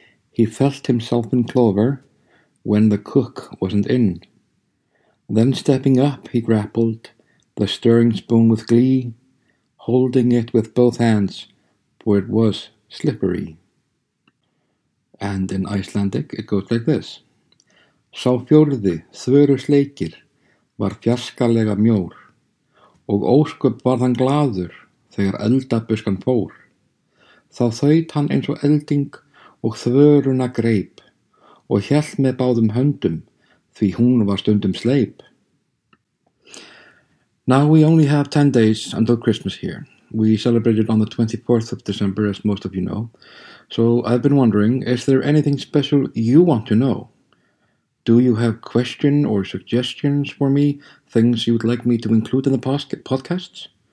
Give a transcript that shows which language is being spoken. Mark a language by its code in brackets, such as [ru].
[en] He felt himself in clover when the cook wasn't in. Then stepping up, he grappled the stirring spoon with glee, holding it with both hands, for it was slippery. And in Icelandic, it goes like this. [is] Sá fjórði, Þvörusleikir, var fjarskalega mjór, og ósköp varð hann glaður þegar eldabuskan fór. Þá þaut hann eins og elding og þvöruna greip, og hélt með báðum höndum, því hún var stundum sleip. [en] Now we only have 10 days until Christmas here. We celebrated on the 24th of December, as most of you know. So I've been wondering, is there anything special you want to know? Do you have questions or suggestions for me, things you'd like me to include in the podcasts?